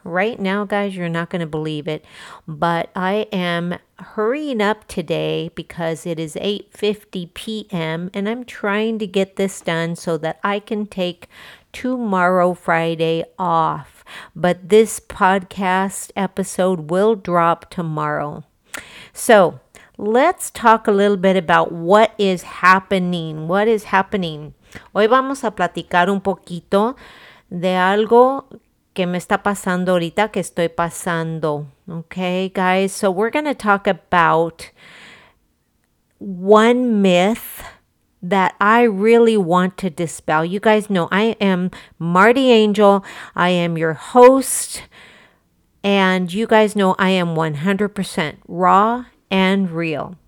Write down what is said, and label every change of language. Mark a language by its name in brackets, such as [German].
[English] Right now, guys, you're not going to believe it, but I am hurrying up today because it is 8:50 p.m., and I'm trying to get this done so that I can take tomorrow, Friday, off. But this podcast episode will drop tomorrow. So let's talk a little bit about what is happening. What is happening? [Spanish] Hoy vamos a platicar un poquito de algo que me está pasando ahorita, que estoy pasando. [English] Okay, guys. So we're going to talk about one myth that I really want to dispel. You guys know I am Marty Angel. I am your host. And you guys know I am 100% raw and real.